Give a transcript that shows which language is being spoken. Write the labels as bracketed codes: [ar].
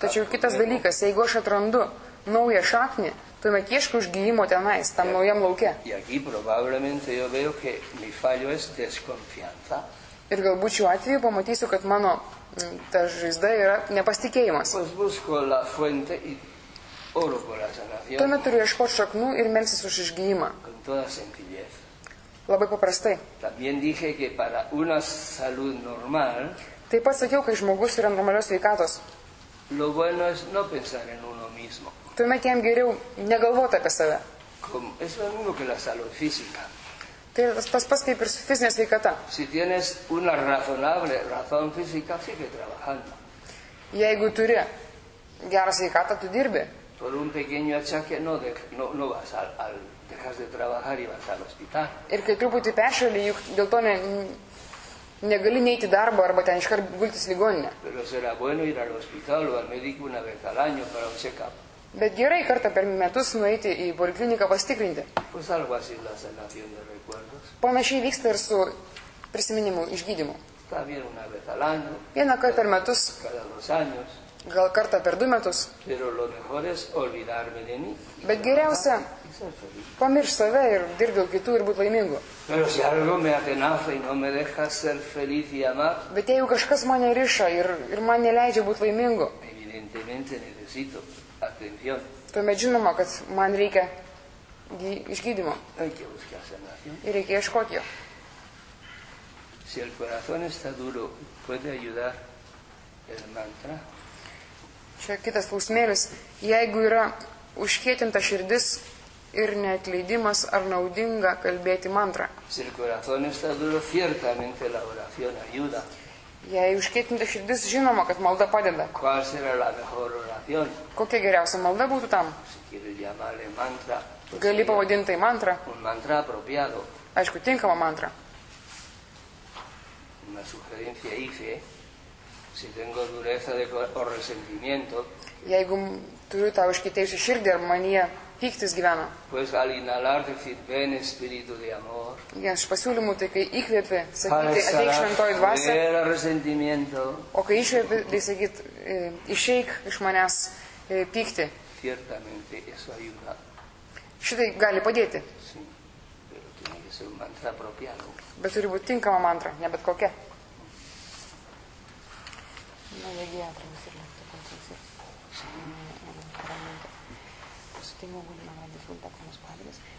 [lt] Tačiau kitas dalykas, jeigu aš atrandu naują šaknį, tuomet ieškau išgyjimo tenais, tam naujam lauke. [es] Y aquí probablemente yo veo que mi fallo es desconfianza. [lt] Ir galbūt šiuo atveju pamatysiu, kad mano ta žaizda yra nepasitikėjimas. [es] Pues busco la fuente y oro por la sanación. [lt] Tuomet turiu ieškoti šaknų ir melsis už išgyjimą. [es] Con toda sencillez. [lt] Labai paprastai. [es] También dije que para una salud normal. [lt] Taip pat sakiau, kai žmogus yra normalios sveikatos. [es] Lo bueno es no pensar en uno mismo. [lt] Tuomet jam geriau negalvoti apie save. [es] Como, es lo mismo que la salud física. [lt] Tai tas pats kaip ir su fizinė sveikata. [es] Si tienes una razonable razón física, sigue trabajando. [lt] Jeigu turi gerą sveikatą, tu dirbi. [es] Por un pequeño achaque no vas al dejas de trabajar y vas al hospital. [lt] Ir kai truputį peršali, juk dėl to negali neiti darbo arba ten iškart gultis ligoninę. [es] Pero será bueno ir al hospital o al médico una vez al año para un check-up. [lt] Bet gerai kartą per metus nueiti į polikliniką pastikrinti. [es] Pues algo así la sanación de recuerdos. [lt] Panašiai vyksta ir su prisiminimu išgydymu. [es] Está bien una vez al año. [lt] Vieną kartą per metus. [es] Cada dos años. [lt] Gal kartą per du metus. [es] Pero lo mejor es olvidarme de mí. [lt] Bet geriausia pamiršt save ir dirbti dėl kitų ir būti laimingu. [es] Pero si algo me atenaza y no me deja ser feliz y amar. [lt] Bet jeigu kažkas mane riša ir man neleidžia būti laimingu. [es] Evidentemente necesito atención. [lt] Tuomet žinoma, kad man reikia išgydymo. Ir reikia ieškoti jo. [es] Si el corazón está duro, puede ayudar el mantra. [lt] Čia kitas klausimėlis. Jeigu yra užkietinta širdis ir neatleidimas, ar naudinga kalbėti mantrą? [es] Si el corazón está duro, ciertamente la oración ayuda. [lt] Jei užkietinta širdis, žinoma, kad malda padeda. [es] ¿Cuál será la mejor oración? [lt] Kokia geriausia malda būtų tam? [es] Si quiere llamarle mantra, [lt] pues gali pavadinti tai mantra. [es] Un mantra apropiado. [lt] Aišku, tinkama mantra. [es] Una sugerencia hice. Si tengo dureza de o resentimiento, [lt] jeigu turiu tą užkietėjusią širdį ar manyje pyktis gyvena, [es] pues al inhalar decir ven espíritu de amor, [lt] vienas iš pasiūlymų tai kai įkvėpi sakyti ateik šventoji dvasia, o kai išvėpi tai sakyti išeik iš manęs pykti, [es] ciertamente eso ayuda. [lt] Šitai gali padėti, [es] sí, pero tiene que ser un mantra apropiado. [lt] Bet turi būti tinkama mantra, ne bet kokia. [es] No llegué a traducir la conciencia. Realmente. Pues tengo una gran dificultad con los padres.